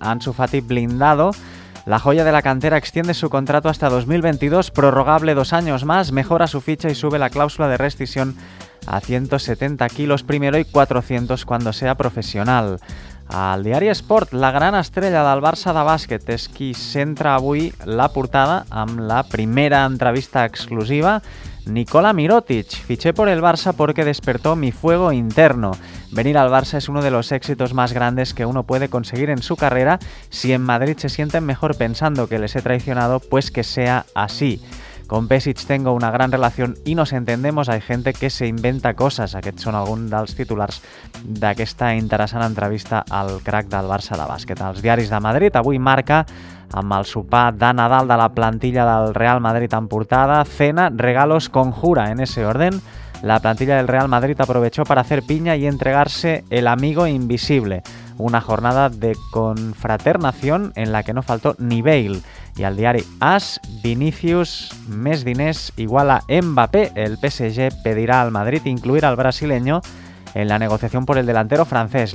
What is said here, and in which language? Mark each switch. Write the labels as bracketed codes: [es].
[es] Ansu Fati blindado, la joya de la cantera, extiende su contrato hasta 2022, prorrogable 2 años más, mejora su ficha y sube la cláusula de rescisión a 170 kilos primero y 400 cuando sea profesional. [ca] Al diari Esport, la gran estrella del Barça de bàsquet és qui centra avui la portada amb la primera entrevista exclusiva. [es] Nikola Mirotić: fiché por el Barça porque despertó mi fuego interno. Venir al Barça es uno de los éxitos más grandes que uno puede conseguir en su carrera. Si en Madrid se sienten mejor pensando que les he traicionado, pues que sea así. Con Pesic tengo una gran relación y nos entendemos, hay gente que se inventa cosas. [ca] Aquests són alguns dels titulars d'aquesta interessant entrevista al crack del Barça de bàsquet. Els diaris de Madrid, avui Marca, amb el sopar de Nadal de la plantilla del Real Madrid en portada, [es] cena, regalos, conjura, en ese orden. La plantilla del Real Madrid aprovechó para hacer piña y entregarse el amigo invisible. Una jornada de confraternación en la que no faltó ni Bale. Y al diario [ca] AS, Vinicius, més diners igual a Mbappé. [es] El PSG pedirá al Madrid incluir al brasileño en la negociación por el delantero francés.